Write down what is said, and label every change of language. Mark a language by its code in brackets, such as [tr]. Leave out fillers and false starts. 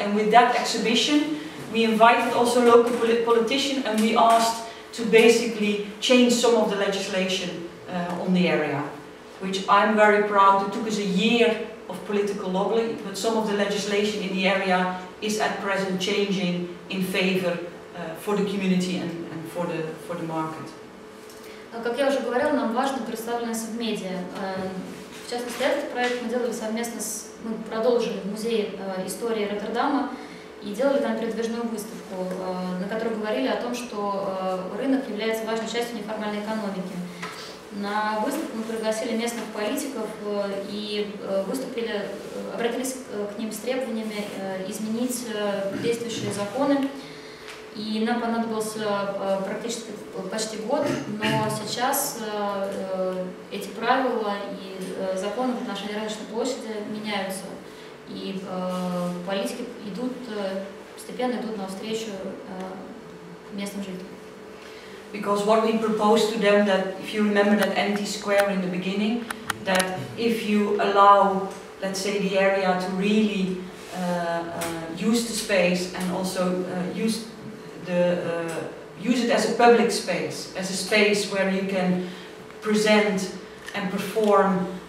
[en] And with that exhibition, we invited also local politicians, and we asked to basically change some of the legislation on the area, which I'm very proud. It took us a year of political lobbying, but some of the legislation in the area is at present changing in favor for the community and for the market. [ru] Как я уже говорила, нам важна представленность в медиа. В частности, этот проект мы делали совместно с... Мы продолжили в Музее истории Роттердама и делали там передвижную выставку, на которой говорили о том, что рынок является важной частью неформальной экономики. На выставку мы пригласили местных политиков и выступили, обратились к ним с требованиями изменить действующие законы. И нам понадобился практически почти год, но сейчас эти правила и законы в отношении рыночной площади меняются, и политики постепенно идут навстречу местным жителям. [en] Because what we proposed to them, that if you remember that empty square in the beginning, that if you allow, let's say, the area to really use the space and also use it as a public space, as a space where you can present and perform